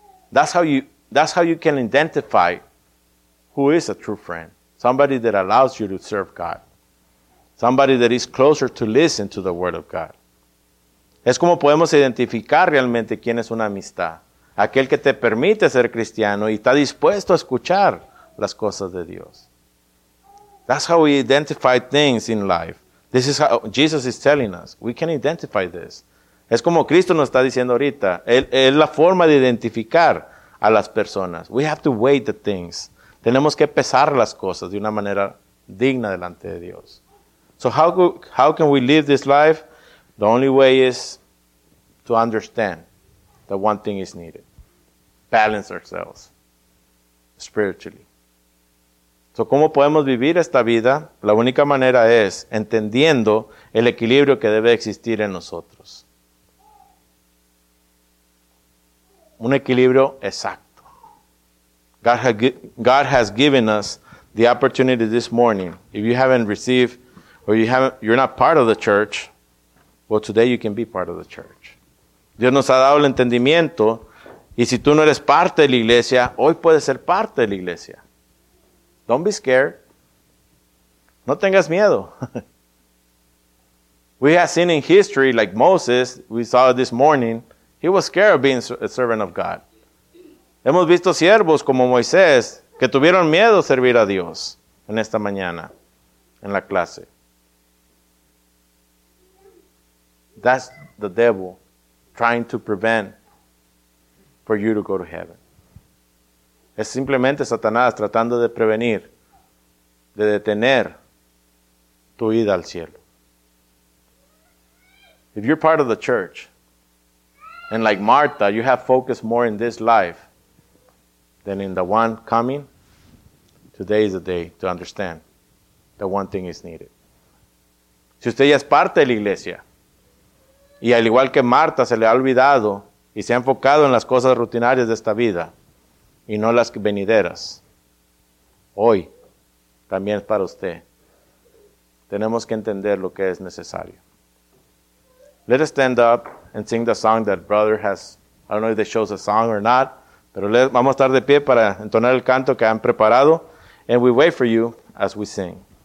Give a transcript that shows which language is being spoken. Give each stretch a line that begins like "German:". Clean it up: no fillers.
English: That's how you can identify who is a true friend. Somebody that allows you to serve God. Somebody that is closer to listen to the word of God.
Spanish: Es como podemos identificar realmente quién es una amistad. Aquel que te permite ser cristiano y está dispuesto a escuchar las cosas de Dios.
English: That's how we identify things in life. This is how Jesus is telling us. We can identify this.
Spanish: Es como Cristo nos está diciendo ahorita. Es la forma de identificar a las personas.
English: We have to weigh the things.
Spanish: Tenemos que pesar las cosas de una manera digna delante de Dios.
English: So how can we live this life? The only way is to understand that one thing is needed. Balance ourselves spiritually. So,
Spanish: ¿cómo podemos vivir esta vida? La única manera es entendiendo el equilibrio que debe existir en nosotros. Un equilibrio exacto.
English: God has given us the opportunity this morning. If you haven't received, or you're not part of the church, well, today you can be part of the church.
Spanish: Dios nos ha dado el entendimiento, y si tú no eres parte de la iglesia, hoy puedes ser parte de la iglesia.
English: Don't be scared.
Spanish: No tengas miedo.
English: We have seen in history, like Moses, we saw this morning, he was scared of being a servant of God.
Spanish: Hemos visto siervos como Moisés que tuvieron miedo a servir a Dios en esta mañana, en la clase.
English: That's the devil trying to prevent for you to go to heaven.
Spanish: Es simplemente Satanás tratando de prevenir, de detener tu ida al cielo.
English: If you're part of the church, and like Martha, you have focused more in this life than in the one coming, today is the day to understand that one thing is needed.
Spanish: Si usted ya es parte de la iglesia, y al igual que Martha, se le ha olvidado y se ha enfocado en las cosas rutinarias de esta vida, y no las venideras, hoy, también es para usted. Tenemos que entender lo que es necesario.
English: Let us stand up and sing the song that brother has. I don't know if they chose a song or not.
Spanish: Pero vamos a estar de pie para entonar el canto que han preparado.
English: And we wait for you as we sing.